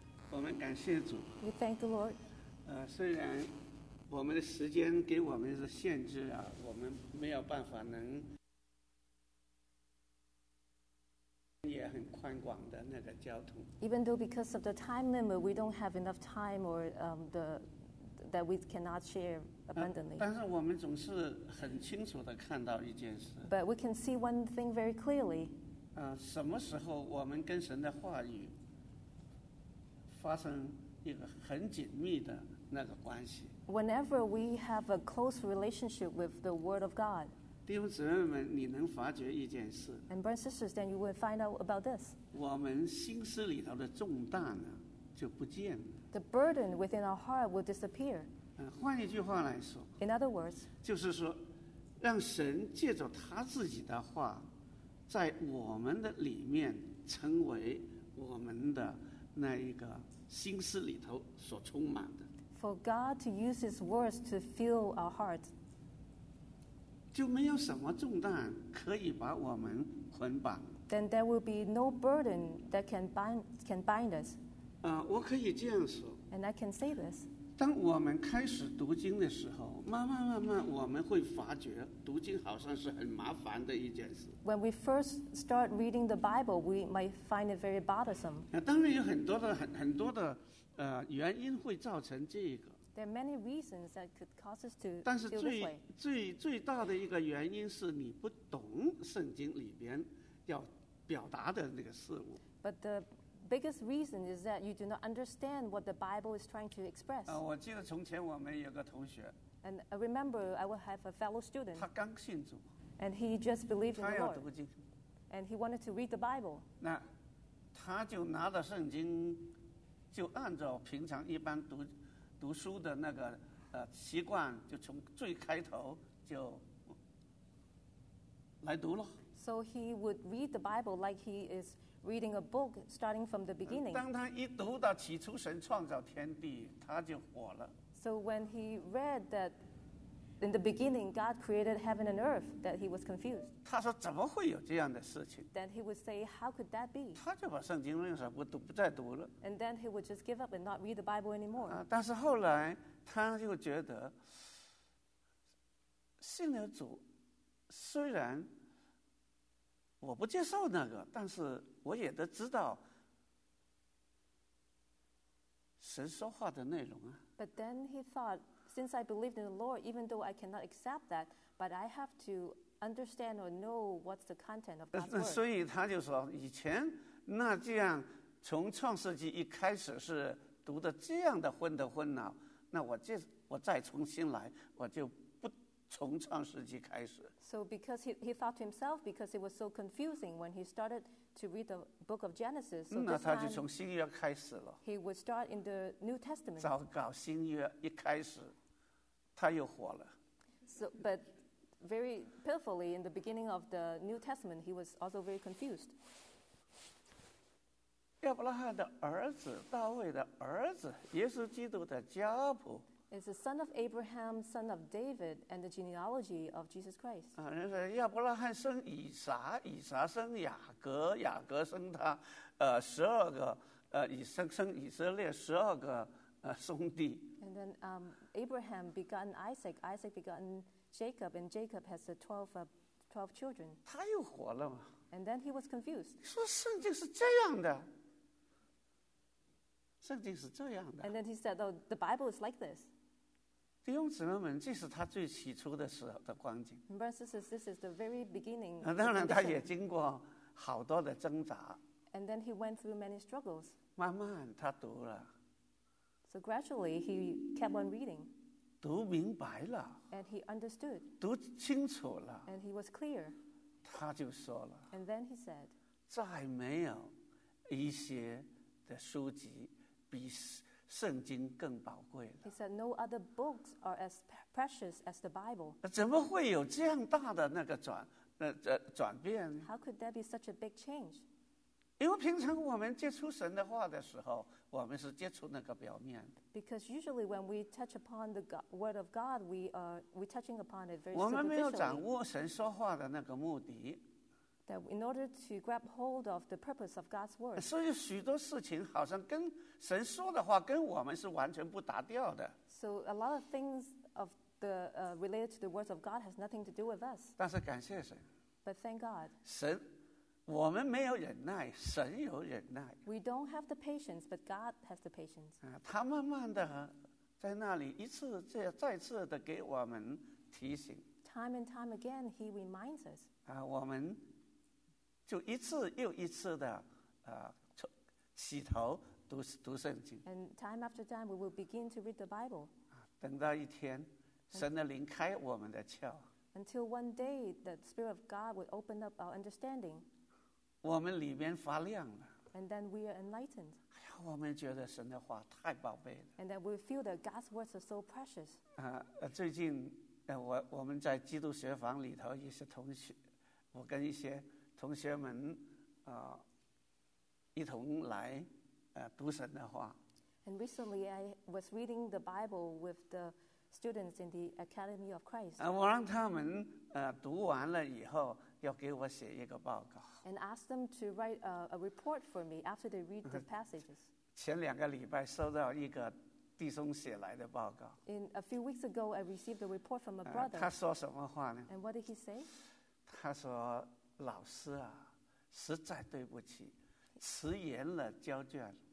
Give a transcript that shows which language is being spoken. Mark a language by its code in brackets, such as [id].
[zh] 我们感谢主。 [en] We thank the Lord. [zh] 虽然我们的时间给我们的限制啊，我们没有办法能。 [en] Even though because of the time limit, we don't have enough time or that we cannot share abundantly. [zh] 但是我们总是很清楚地看到一件事。 [en] But we can see one thing very clearly. [zh] 什么时候我们跟神的话语发生一个很紧密的那个关系。 [en] Whenever we have a close relationship with the Word of God. [zh] 弟兄姊妹们，你能发觉一件事。 [en] And brothers and sisters, then you will find out about this. [zh] 我们心思里头的重担呢，就不见了。 [en] The burden within our heart will disappear. [zh] 换一句话来说。 [en] In other words. [zh] 就是说，让神借着他自己的话，在我们的里面成为我们的那一个心思里头所充满的。 [en] For God to use His words to fill our heart. [zh] 就没有什么重担可以把我们捆绑。 [en] Then there will be no burden that can bind us. [zh] 我可以这样说。 [en] And I can say this. [zh] 当我们开始读经的时候，慢慢我们会发觉读经好像是很麻烦的一件事。 [en] When we first start reading the Bible, we might find it very bothersome. [zh] 当然有很多的原因会造成这个。 [en] There are many reasons that could cause us to. [zh] 但是最大的一个原因是你不懂圣经里边要表达的那个事物。 [en] But the biggest reason is that you do not understand what the Bible is trying to express. [zh] 我记得从前我们有个同学。 [en] And I remember I would have a fellow student. [zh] 他刚信主。 [en] And he just believed in the Lord. [zh] 他要读经。 [en] And he wanted to read the Bible. [zh] 那他就拿着圣经，就按照平常一般读书的那个习惯，就从最开头就来读了。 [en] So he would read the Bible like he is reading a book, starting from the beginning. [zh] 当他一读到起初神创造天地，他就火了。 [en] So when he read that in the beginning God created heaven and earth, that he was confused. [zh] 他说怎么会有这样的事情 [en] ？Then he would say, how could that be? [zh] 他就把圣经扔了，不再读了。 [en] And then he would just give up and not read the Bible anymore. [zh] 但是后来他又觉得，信了主，虽然我不接受那个，但是我也得知道神说话的内容啊。 [en] But then he thought. Since I believed in the Lord, even though I cannot accept that, but I have to understand or know what's the content of God's word. [zh] 所以他就说，以前那这样从创世纪一开始是读的这样的昏头昏脑，那我再重新来，我就不从创世纪开始。 [en] So because he thought to himself, because it was so confusing when he started to read the book of Genesis, so this time, [zh] 就从新约开始了。 [en] He would start in the New Testament. [zh] 糟糕，新约一开始。他又火了。 [en] So, but very pitifully, in the beginning of the New Testament, he was also very confused. [zh] 亚伯拉罕的儿子，大卫的儿子，耶稣基督的家谱。 [en] It's the son of Abraham, son of David, and the genealogy of Jesus Christ. [zh] 人说亚伯拉罕生以撒，以撒生雅各，雅各生他，十二个，生以色列十二个。兄弟 [en] and then Abraham begotten Isaac, Isaac begotten Jacob, and Jacob has the 12 12 children. [zh] 他又活了吗？ [en] And then he was confused. [zh] 说圣经是这样的。圣经是这样的。 [en] And then he said, oh, the Bible is like this. [zh] 弟兄姊妹们，这是他最起初的时候的光景。 [en] And brothers and sisters, this is the very beginning. [zh] 当然他也经过好多的挣扎。 [en] And then he went through many struggles. [zh] 慢慢他读了。 [en] So gradually he kept on reading. [zh] 读明白了。 [en] And he understood. [zh] 读清楚了。 [en] And he was clear. [zh] 他就说了。 [en] And then he said, [zh] 再没有一些的书籍比圣经更宝贵了。 [en] He said, no other books are as precious as the Bible. [zh] 怎么会有这样大的那个转变？ [en] How could there be such a big change? [zh] 因为平常我们接触神的话的时候，我们是接触那个表面。 [en] Because usually when we touch upon the word of God, we touching upon it very superficially. [zh] 我们没有掌握神说话的那个目的。 [en] That in order to grab hold of the purpose of God's word. [zh] 所以许多事情好像跟神说的话跟我们是完全不搭调的。 [en] So a lot of things of the related to the words of God has nothing to do with us. [zh] 但是感谢神。 [en] But thank God. [zh] 神。我们没有忍耐，神有忍耐。 [en] We don't have the patience, but God has the patience. [zh] 他慢慢的在那里一次再次的给我们提醒。 [en] Time and time again, he reminds us. [zh] 我们就一次又一次的起头读圣经。 [en] And time after time, we will begin to read the Bible. [zh] 等到一天，神的灵开我们的窍。 [en] Until one day, the Spirit of God will open up our understanding. [zh] 我们里面发亮了。 [en] And then we are enlightened. [zh] 哎呀，我们觉得神的话太宝贝了。 [en] And then we feel that God's words are so precious. [zh] 最近我们在基督学房里头一些同学，我跟一些同学们一同来读神的话。 [en] And recently I was reading the Bible with the students in the Academy of Christ. [zh] 我让他们读完了以后要给我写一个报告。 [en] And ask them to write a report for me after they read the passages. [zh] 前两个礼拜收到一个弟兄写来的报告。 [en] In a few weeks ago, I received a report from a brother. [zh] 他说什么话呢？ [en] And what did he say? [zh] 他说，老师啊，实在对不起，迟延了交卷。